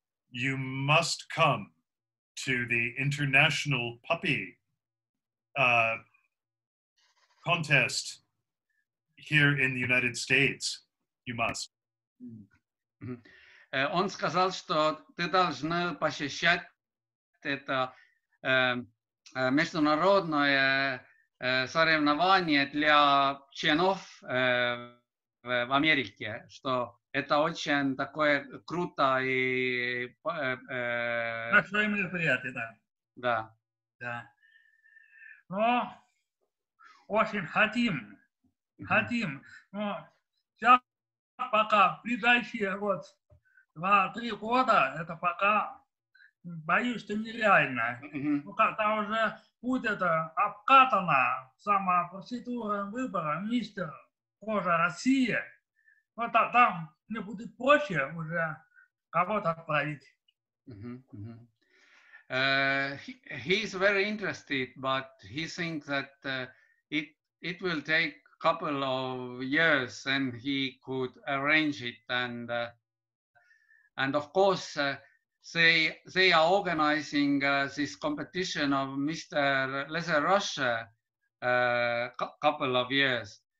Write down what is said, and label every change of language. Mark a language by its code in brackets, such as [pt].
[en] You must come to the international puppy contest here in the United States. You must. [ru] Он сказал, что ты должна посещать это международное соревнование для членов в Америке, что это очень такое круто и... Большое мероприятие, да. Да. Да. Ну, очень хотим. Хотим. Но сейчас пока в ближайшие вот 2-3 года, это пока, боюсь, что нереально. Mm-hmm. Ну, когда уже будет это обкатано, сама процедура выбора, мистер кожа России, вот там мне будет проще уже кого-то отправить. [en] He is very interested, but he thinks that it will take a couple of years and he could arrange it and... And of course, they are organizing this competition of Mr. Leather Russia a couple of years.